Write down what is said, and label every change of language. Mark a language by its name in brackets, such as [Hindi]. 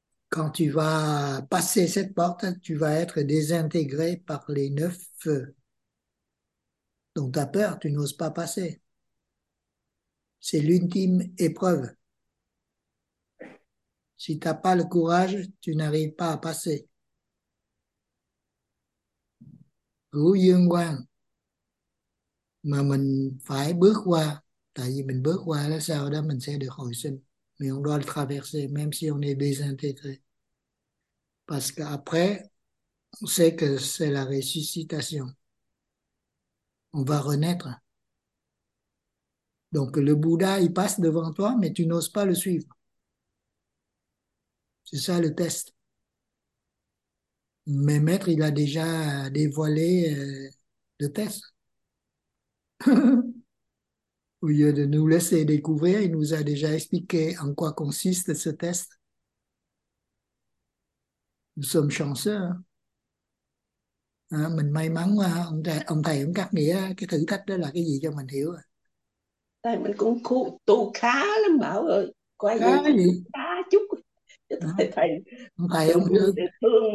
[French] Quand tu vas passer cette porte, tu vas être désintégré par les neuf feux, donc tu as peur, tu n'oses pas passer. C'est l'ultime épreuve. Si t'as pas le courage, tu n'arrives pas à passer. [Vietnamese] Quang mà mình phải bước qua, tại vì mình bước qua là sau đó mình sẽ được hồi sinh. [French] Mais on doit le traverser, même si on est désintégré. Parce qu'après, on sait que c'est la ressuscitation. On va renaître. Donc le Bouddha, il passe devant toi, mais tu n'oses pas le suivre. C'est ça le test. Mes maîtres, il a déjà dévoilé le test. Au lieu de nous laisser découvrir, il nous a déjà expliqué en quoi consiste ce test. Nous sommes chanceux. [Vietnamese] À, mình may mắn quá, ông thầy cũng cắt nghĩa cái thử thách đó là cái gì cho mình hiểu. Tại mình cũng khu tu khá lắm Bảo ơi, quay Khá về chút gì? khá chút chứ Đó. thầy thầy Ông thầy thương ông thương.